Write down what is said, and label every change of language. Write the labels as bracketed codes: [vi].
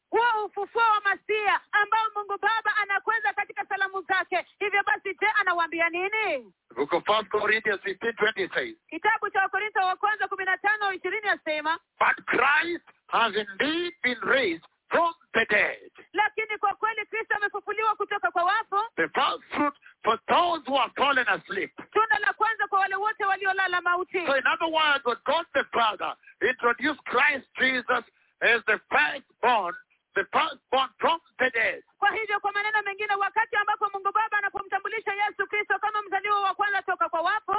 [sw] Huo ufufuo wa Masia ambao Mungu Baba anakweza katika salamu zake. Hivyo basi je, anawaambia nini? [en] Book of 1 Corinthians 15:20 says. [sw] Kitabu cha Wakorintho wa kwanza 15:20 asema. [en] But Christ has indeed been raised from the dead. [sw] Lakini kwa kweli Kristo amefufuliwa kutoka kwa wafu. [en] The first fruit for those who have fallen asleep. [sw] Tunda la kwanza kwa wale wote waliolala mauti. [en] So in other words, what God the Father introduced Christ Jesus as the firstborn from the dead. [sw] Kwa hivyo kwa maneno mengine wakati ambapo Mungu Baba anapomtambulisha Yesu Kristo kama mzaliwa wa kwanza toka kwa wafu,